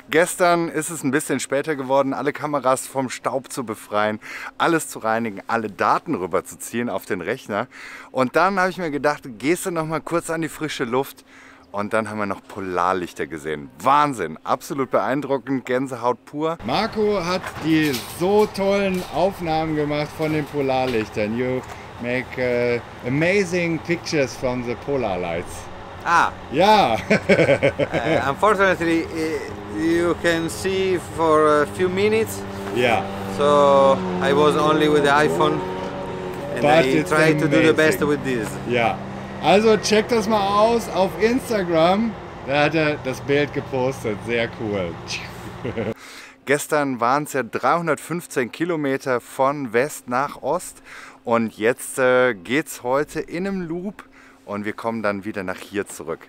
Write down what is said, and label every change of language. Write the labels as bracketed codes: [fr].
[de] Gestern ist es ein bisschen später geworden, alle Kameras vom Staub zu befreien, alles zu reinigen, alle Daten rüber zu ziehen auf den Rechner. Und dann habe ich mir gedacht, gehst du noch mal kurz an die frische Luft Und dann haben wir noch Polarlichter gesehen. Wahnsinn, absolut beeindruckend, Gänsehaut pur. Marco hat die so tollen Aufnahmen gemacht von den Polarlichtern. [en] You make amazing pictures from the polar lights. Ah. Ja. unfortunately, you can see for a few minutes. Yeah. So I was only with the iPhone and but I tried to do the best with this. Yeah. [de] Also check das mal aus auf Instagram, da hat er das Bild gepostet, sehr cool. Gestern waren es ja 315 Kilometer von West nach Ost und jetzt geht's heute in einem Loop und wir kommen dann wieder nach hier zurück.